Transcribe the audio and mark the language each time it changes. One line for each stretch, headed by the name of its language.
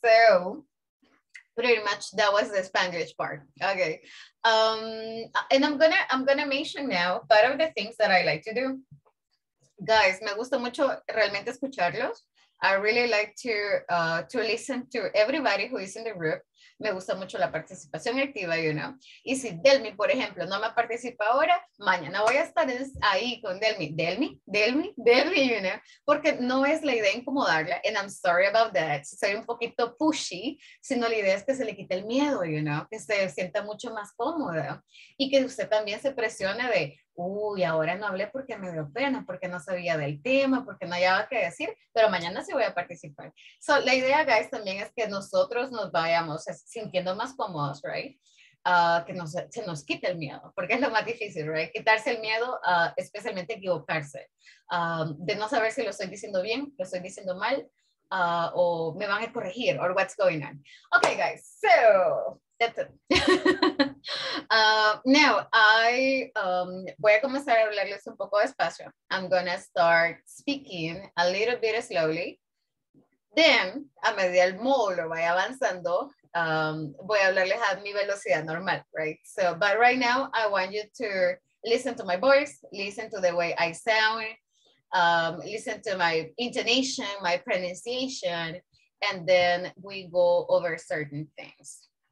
English: So, pretty much that was the Spanish part. Okay. And I'm gonna mention now part of the things that I like to do. Guys,
Spanish: me gusta mucho realmente escucharlos.
English: I really like to listen to everybody who is in the group.
Spanish: Me gusta mucho la participación activa, you know. Y si Delmi, por ejemplo, no me participa ahora, mañana voy a estar ahí con Delmi. Delmi, Delmi, Delmi, you know. Porque no es la idea incomodarla.
English: And I'm sorry about that.
Spanish: Soy un poquito pushy. Sino la idea es que se le quite el miedo, you know. Que se sienta mucho más cómoda. Y que usted también se presione de... Uy, ahora no hablé porque me dio pena, porque no sabía del tema, porque no había que decir, pero mañana sí voy a participar. So, la idea, guys, también es que nosotros nos vayamos sintiendo más cómodos, right? Que nos, se nos quite el miedo, porque es lo más difícil, right? Quitarse el miedo, especialmente equivocarse. De no saber si lo estoy diciendo bien, lo estoy diciendo mal, o me van a corregir,
English: or what's going on. Okay, guys, so... now,
Spanish: I voy a comenzar a hablarles un poco despacio.
English: I'm going to start speaking a little bit slowly.
Spanish: Then, a medida el módulo vaya avanzando, voy a hablarles a mi velocidad normal, right?
English: So, but right now, I want you to listen to my voice, listen to the way I sound, listen to my intonation, my pronunciation, and then we go over certain things.